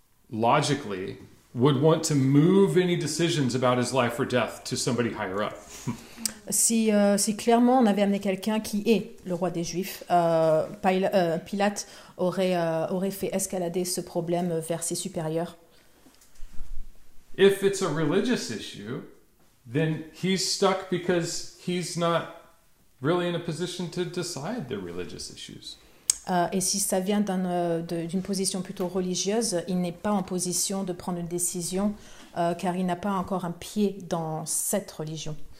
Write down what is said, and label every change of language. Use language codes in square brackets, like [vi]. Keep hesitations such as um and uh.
[en] logically would want to move any decisions about his life or death to somebody higher up. [fr] si, uh, si clairement on avait amené quelqu'un qui est le roi des Juifs, uh, Pil uh, Pilate aurait, aurait fait escalader ce problème vers ses supérieurs. [en] If it's a religious issue, then he's stuck because he's not really in a position to decide the religious issues. [fr] Uh, et si ça vient d'une uh, position plutôt religieuse, il n'est pas en position de prendre une décision uh, car il n'a pas encore un pied dans cette religion.